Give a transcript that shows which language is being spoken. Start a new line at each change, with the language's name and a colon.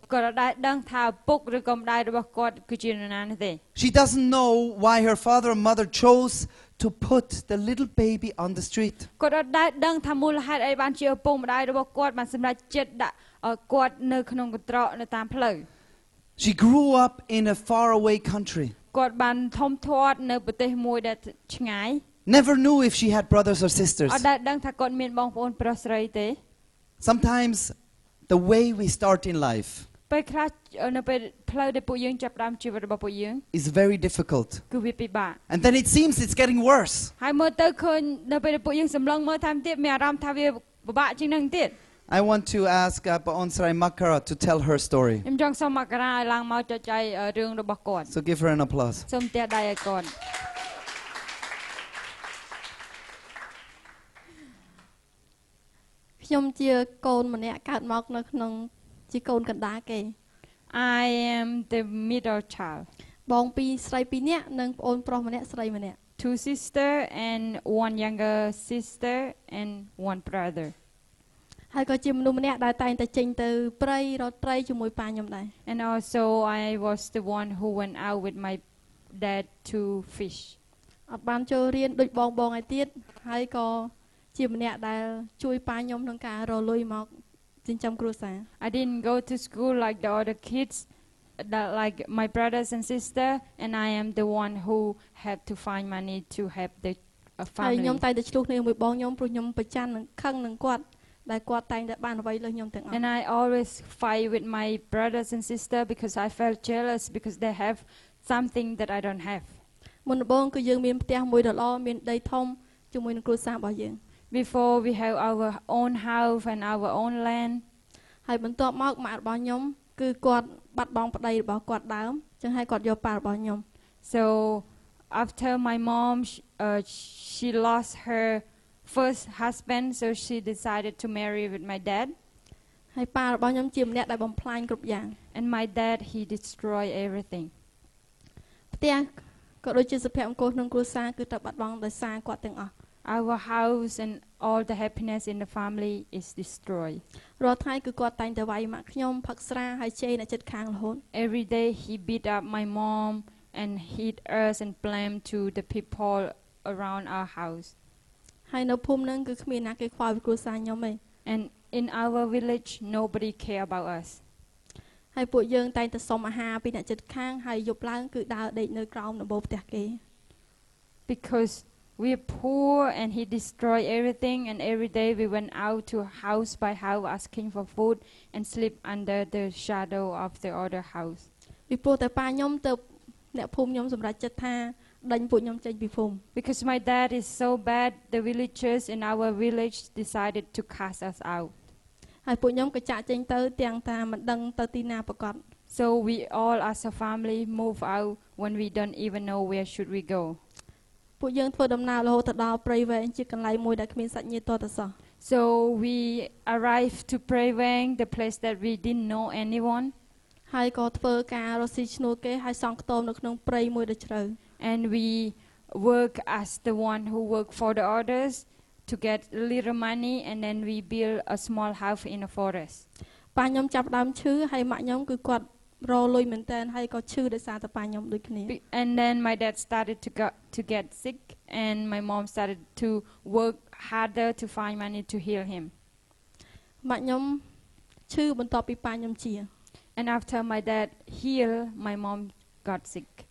Khmer: គាត់អាចដឹងថាពុកឬក៏ម្ដាយរបស់គាត់គឺជានរណានេះទេ
English: She doesn't know why her father or mother chose to put the little baby on the street
Khmer: គាត់អាចដឹងថាមូលហេតុអីបានជាឪពុកម្ដាយរបស់គាត់បានសម្រេចចិត្តដាក់គាត់នៅក្នុងកន្ត្រកនៅតាមផ្លូវ
English: She grew up in a far away country
Khmer: គាត់បានធំធាត់នៅប្រទេសមួយដែលឆ្ងាយ
English: Never knew if she had brothers or sisters
Khmer: អាចដឹងថាគាត់មានបងប្អូនប្រុសស្រីទេ
English: Sometimes the way we start in life
Khmer: ពេលខ្លះនៅពេលផ្លូវដែលពួកយើងចាប់ដើមជីវិតរបស់ពួកយើង
English: is very difficult
Khmer: គឺវាពិបាក
English: and then it seems it's getting worse
Khmer: ហើយមើលទៅឃើញនៅពេលពួកយើងសម្លឹងមើលតាមទៀតមានអារម្មណ៍ថាវាពិបាកជាងនឹងទៀត
English: I want to ask Baon Srai Makara to tell her story
Khmer: ខ្ញុំចង់សូមមករាឲ្យឡើងមកចែករឿងរបស់គាត់
English: So give her an applause
Khmer: សូមទះដៃឲ្យគាត់ខ្ញុំជាកូនម្នាក់កើតមកនៅក្នុងជាកូនកណ្ដាលគេ
English: I am the middle child
Khmer: បងពីរស្រីពីរនាក់និងប្អូនប្រុសម្នាក់ស្រីម្នាក់
English: Two sister and one younger sister and one brother
Khmer: ហើយក៏ជាមនុស្សម្នាក់ដែលតែងតែចេញទៅព្រៃរត់ត្រីជាមួយប៉ាខ្ញុំដែរ
English: And also I was the one who went out with my dad to fish
Khmer: អត់បានចូលរៀនដូចបងបងឯទៀតហើយក៏ជាម្នាក់ដែលជួយប៉ាខ្ញុំក្នុងការរលុយមកចិញ្ចឹមគ្រួសារ
English: I didn't go to school like the other kids that like my brothers and sister and I am the one who have to find money to help the family
Khmer: ហើយខ្ញុំតែងតែឆ្លុះនឹងមួយបងខ្ញុំព្រោះខ្ញុំប្រច័ណ្ឌនឹងខឹងនឹងគាត់ដែលគាត់តែងតែបានអ្វីលើខ្ញុំទាំងអ
English: ស់ And I always fight with my brothers and sister because I felt jealous because they have something that I don't have
Khmer: មុនបងគឺយើងមានផ្ទះមួយដ៏ល្អមានដីធំជាមួយនឹងគ្រួសាររបស់យើង
English: Before we have our own house and our own land
Khmer: ហើយបន្ទាប់មកម៉ាក់របស់ខ្ញុំគឺគាត់បាត់បង់ប្តីរបស់គាត់ដើមចឹងហើយគាត់យកប៉ារបស់ខ្ញុំ
English: So after my mom she lost her first husband, so she decided to marry with my dad.
Khmer: ហើយប៉ារបស់ខ្ញុំជាម្នាក់ដែលបំផ្លាញគ្រប់យ៉ាង
English: And my dad, he destroyed everything.
Khmer: ផ្ទះក៏ដូចជាសុភមង្គលក្នុងគ្រួសារគឺត្រូវបាត់បង់ដោយសារគាត់ទាំងអស់
English: Our house and all the happiness in the family is destroyed.
Khmer: រាល់ថ្ងៃគឺគាត់តែងតែវាយម៉ាក់ខ្ញុំផឹកស្រាហើយជេរអ្នកជិតខាងរហូត
English: Every day he beat up my mom. And hit us and blame to the people around our house.
Khmer: ហើយនៅភូមិនឹងគឺគ្មានណាគេខ្វល់ពីគ្រួសារខ្ញុំទេ
English: And in our village nobody care about us.
Khmer: ហើយពួកយើងតែងតែសុំអាហារពីអ្នកជិតខាងហើយយប់ឡើងគឺដើរដេកនៅក្រោមដំបូលផ្ទះគេ
English: Because we are poor and he destroyed everything and every day we went out to house by house asking for food and sleep under the shadow of the other house.
Khmer: ពីព្រោះតែប៉ាខ្ញុំទៅអ្នកភូមិខ្ញុំសម្រេចចិត្តថាដេញពួកខ្ញុំចេញពីភូមិ
English: Because my dad is so bad the villagers in our village decided to cast us out
Khmer: ហើយពួកខ្ញុំក៏ចាក់ចេញទៅទាំងតាមិនដឹងទៅទីណាប្រកប
English: So we all as a family move out when we don't even know where should we go
Khmer: ពួកយើងធ្វើដំណើររហូតទៅដល់ព្រៃវែងជាកន្លែងមួយដែលគ្មានសាច់ញាតិតសោះ
English: So we arrived to Prey Wang the place that we didn't know anyone
Khmer: ហើយក៏ធ្វើការរកស៊ីឈ្នួលគេហើយសង់ខ្ទមនៅក្នុងព្រៃមួយដ៏ជ្រៅ
English: And we work as the one who work for the others to get a little money and then we build a small house in a forest
Khmer: ប៉ាខ្ញុំចាប់ដើមឈើហើយម៉ាក់ខ្ញុំគឺគាត់រកលុយមែនទែនហើយក៏ឈឺដោយសារតែប៉ាខ្ញុំដូចគ្នា
English: And then my dad started to get sick and my mom started to work harder to find money to heal him
Khmer: ម៉ាក់ខ្ញុំឈឺបន្ទាប់ពីប៉ាខ្ញុំជា
English: And after my dad healed, my mom got sick.